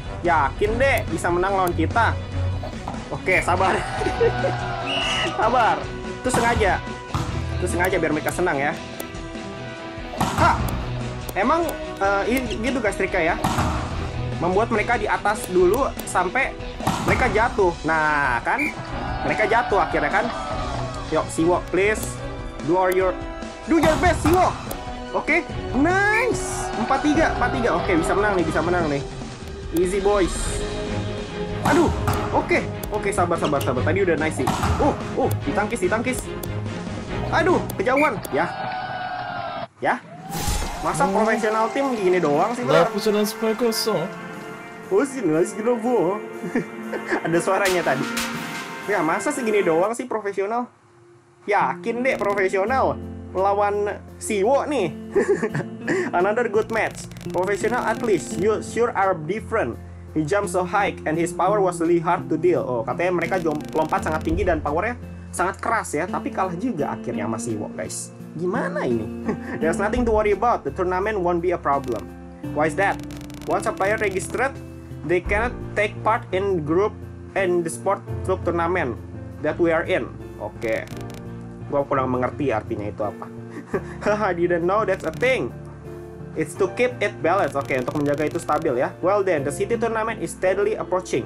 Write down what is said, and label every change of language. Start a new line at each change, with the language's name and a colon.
Indonesian: Yakin deh bisa menang lawan kita? Oke, okay, sabar. Sabar. Itu sengaja biar mereka senang ya. Ha! Emang gitu guys triknya ya. Membuat mereka di atas dulu sampai mereka jatuh. Nah, kan? Mereka jatuh akhirnya kan.
English: Yuk, Siwo, please. Do your best, Siwo. Oke. Okay. Nice.
Indonesian: 4-3, oke, bisa menang nih,
English: easy boys.
Indonesian: Aduh, oke, oke, sabar, tadi udah nice sih. Ditangkis. Aduh, kejauhan, ya. Masa profesional tim gini doang sih, bro? Lepusan dan sepuluh kosong. Oh, sih, nice gitu, bro. Ada suaranya tadi. Ya, masa segini doang sih profesional? Yakin deh profesional lawan Siwo nih.
English: Another good match. Professional at least, you sure are different. He jumped so high and his power was really hard to deal.
Indonesian: Oh, katanya mereka lompat sangat tinggi dan powernya sangat keras ya, tapi kalah juga akhirnya sama Siwo, guys. Gimana ini?
English: There's nothing to worry about. The tournament won't be a problem. Why is that? Once a player registered, they cannot take part in group and the sport club tournament that we are in.
Indonesian: Oke. Gua kurang mengerti artinya itu apa.
English: I didn't know that's a thing. It's to keep it balanced.
Indonesian: Oke, untuk menjaga itu stabil ya.
English: Well then, the city tournament is steadily approaching.